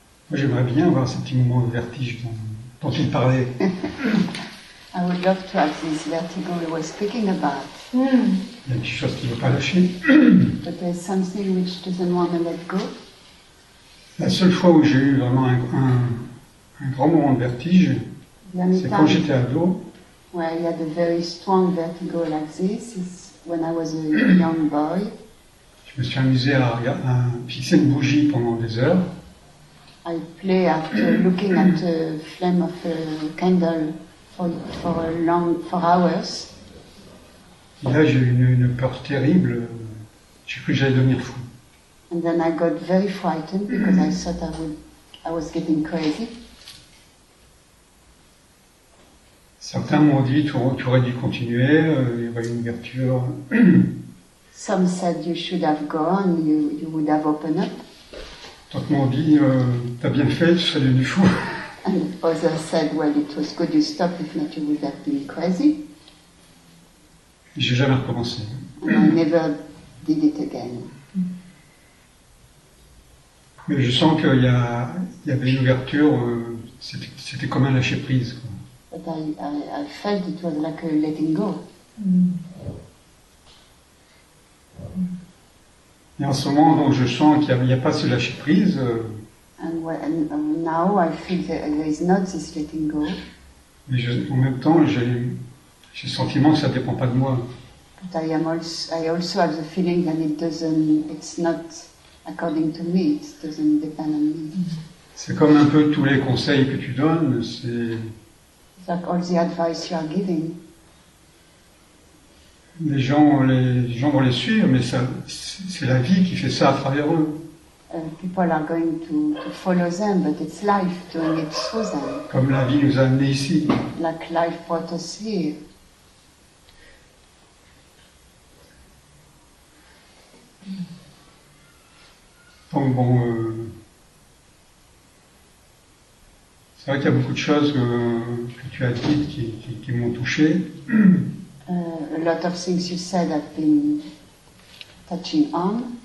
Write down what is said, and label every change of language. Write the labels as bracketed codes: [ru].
[fr] Moi, j'aimerais bien avoir ce petit moment de vertige dont il parlait. [en] I would love to have this vertigo he was speaking about. [fr] Il y a quelque chose qui ne veut pas lâcher. [en] But there's something which doesn't want to let go. [fr] La seule fois où j'ai eu vraiment un grand moment de vertige, c'est quand j'étais ado. [en] Where I had a very strong vertigo like this is when I was a young boy. [fr] Je me suis amusé à fixer une bougie pendant des heures. [en] I play after looking at a flame of a candle for hours. [fr] Et là, j'ai eu une peur terrible. J'ai cru que j'allais devenir fou. [en] And then I got very frightened because I thought I was getting crazy. [fr] Certains m'ont dit tu aurais dû continuer. Il y avait une ouverture. [en] Some said you should have gone. You would have opened up. [fr] D'autres m'ont dit, t'as bien fait, tu serais devenu fou. [en] And others said, well, it was good you stopped, if not you would have been crazy. [fr] Et j'ai jamais recommencé. [en] I never did it again. [fr] Mais je sens qu'il y avait une ouverture, c'était comme un lâcher prise. Quoi. [en] But I felt it was like a letting go. [fr] Et en ce moment, donc, je sens qu'il n'y a pas ce lâcher prise. [en] Now I feel there is not this letting go. [fr] Mais en même temps, j'ai le sentiment que ça ne dépend pas de moi. [en] But I also have the feeling that it doesn't, it's not according to me, it doesn't depend on me. [fr] C'est comme un peu tous les conseils que tu donnes, c'est... [en] It's like all the advice you are giving. [fr] Les gens vont les suivre, mais ça, c'est la vie qui fait ça à travers eux. [en] People are going to follow them, but it's life doing it through them. [fr] Comme la vie nous a amenés ici. [en] Like life brought us here. [fr] Donc bon, c'est vrai qu'il y a beaucoup de choses que tu as dites qui m'ont touché. [en] A lot of things you said have been touching on.